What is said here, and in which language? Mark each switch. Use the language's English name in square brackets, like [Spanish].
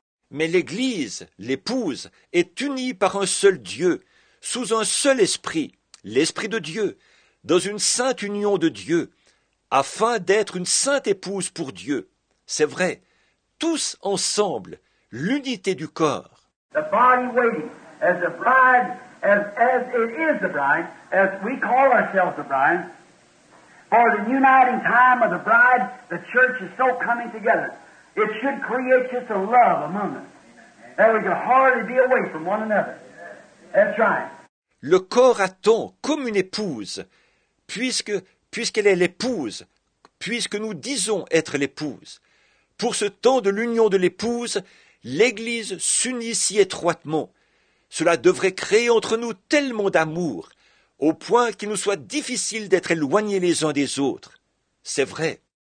[French] Mais l'Église, l'épouse, est unie par un seul Dieu, sous un seul esprit, l'Esprit de Dieu, dans une sainte union de Dieu, afin d'être une sainte épouse pour Dieu. C'est vrai, tous ensemble, l'unité du corps. [English] The body waiting, as the bride, as it is the bride, as we call ourselves the bride. For the uniting time of the bride, the church is so coming together. It should create just a love among us. That we can hardly be away from one another. That's right. [French] Le corps attend comme une épouse, puisqu'elle est l'épouse, puisque nous disons être l'épouse. Pour ce temps de l'union de l'épouse, l'Église s'unit si étroitement. Cela devrait créer entre nous tellement d'amour, au point qu'il nous soit difficile d'être éloignés les uns des autres. C'est vrai.